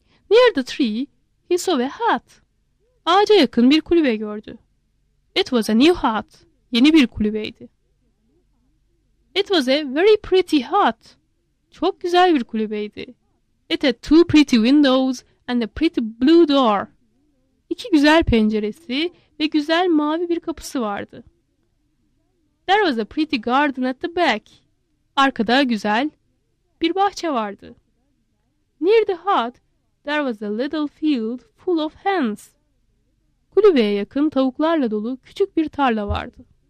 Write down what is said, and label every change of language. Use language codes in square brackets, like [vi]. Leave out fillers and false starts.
[en] Near the tree, he saw a hut. [tr] Ağaca yakın bir kulübe gördü. [en] It was a new hut. [tr] Yeni bir kulübeydi. [en] It was a very pretty hut. [tr] Çok güzel bir kulübeydi. [en] It had two pretty windows and a pretty blue door. [tr] İki güzel penceresi ve güzel mavi bir kapısı vardı. [en] There was a pretty garden at the back. [tr] Arkada güzel bir bahçe vardı. [en] Near the hut, there was a little field full of hens. [tr] Kulübeye yakın tavuklarla dolu küçük bir tarla vardı.